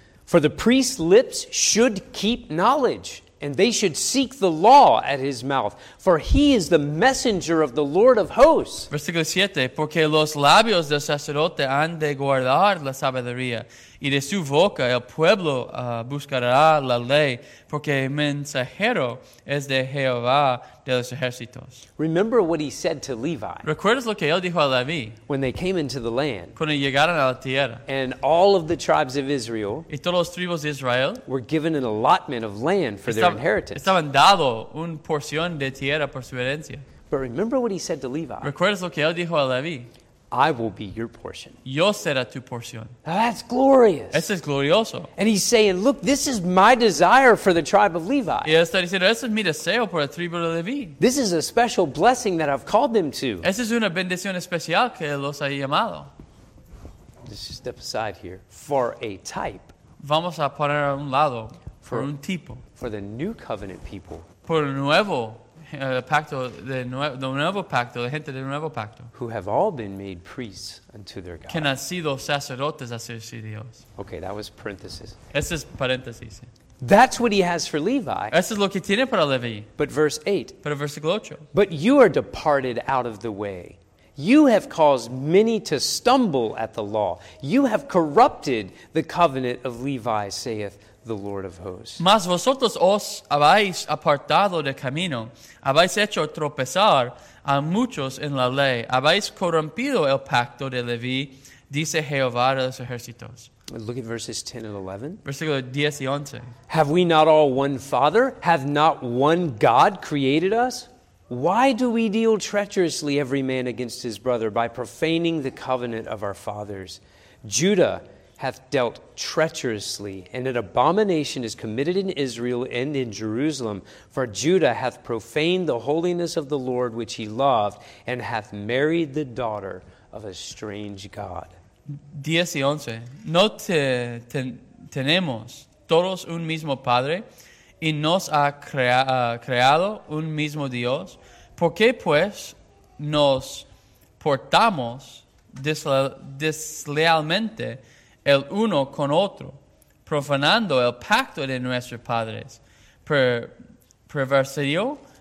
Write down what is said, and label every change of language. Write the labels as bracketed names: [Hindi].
[English] For the priest's lips should keep knowledge, and they should seek the law at his mouth, for he is the messenger of the Lord of hosts. [Spanish] Versículo 7, porque los labios del sacerdote han de guardar la sabiduría, y de su boca el pueblo buscará la ley, porque mensajero es de Jehová de los ejércitos. [English] Remember what he said to Levi. [Spanish] ¿Recuerdas lo que él dijo a Levi? [English] When they came into the land. [Spanish] Cuando llegaron a la tierra. [English] And all of the tribes of Israel. [Spanish] Y todos los tribus de Israel. [English] Were given an allotment of land for their inheritance. [Spanish] Estaban dado una porción de tierra por su herencia. [English] But remember what he said to Levi. [Spanish] ¿Recuerdas lo que él dijo a Levi? [English] I will be your portion. [Spanish] Yo será tu porción. [English] Now that's glorious. [Spanish] Eso es glorioso. [English] And he's saying, look, this is my desire for the tribe of Levi. [Spanish] Y está diciendo, eso es mi deseo por la tribu de Levi. [English] This is a special blessing that I've called them to. [Spanish] Esa es una bendición especial que los ha llamado. [English] Let's just step aside here. For a type. [Spanish] Vamos a poner a un lado. [English] For [Spanish] un tipo. [English] For the new covenant people. [Spanish] Por el nuevo pacto de nuevo pacto, la gente del nuevo pacto. [English] Who have all been made priests unto their God. [Spanish] Que han sido sacerdotes a ser su Dios. [English] Okay, that was parenthesis. [Spanish] Ese es paréntesis. [English] That's what he has for Levi. [Spanish] Eso es lo que tiene para Levi. [English] But verse 8. [Spanish] Pero versículo 8. [English] But you are departed out of the way. You have caused many to stumble at the law. You have corrupted the covenant of Levi, saith the Lord of hosts. [Spanish] Mas vosotros os habéis apartado de camino, habéis hecho tropezar a muchos en la ley, habéis corrompido el pacto de Leví, dice Jehová de los ejércitos. [English] Look at verses 10 and 11. [Spanish] Versículo 10 y 11. [English] Have we not all one Father? Have not one God created us? Why do we deal treacherously every man against his brother by profaning the covenant of our fathers? Judah hath dealt treacherously, and an abomination is committed in Israel and in Jerusalem. For Judah hath profaned the holiness of the Lord which he loved, and hath married the daughter of a strange God. [Spanish] 10 y 11. No tenemos todos un mismo Padre, y nos ha creado un mismo Dios. ¿Por qué, pues, nos portamos deslealmente el uno con otro, profanando el pacto de nuestros padres, perversando